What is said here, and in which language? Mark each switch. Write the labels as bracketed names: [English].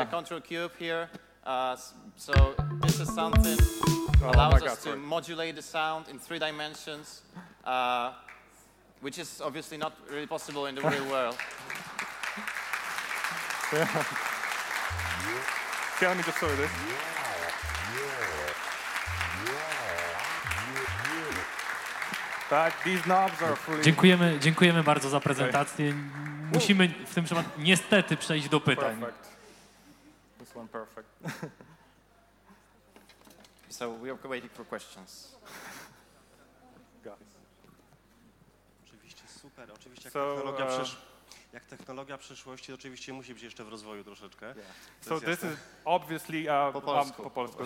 [English] is the control cube here. So this is something that allows us to modulate the sound in 3 dimensions, which is obviously not really possible in the real world. Yeah. Yeah. Can I just show this? Tak, these knobs are fully... [Polish] Dziękujemy bardzo za prezentację. Okay. Musimy w tym przypadku niestety przejść do pytań. [English] Perfect. this one perfect. So we are waiting for questions. Guys. [Polish] Oczywiście super, oczywiście technologia jak technologia przyszłości, oczywiście musi być jeszcze w rozwoju troszeczkę. [English] Yeah. So this is obviously po polsku.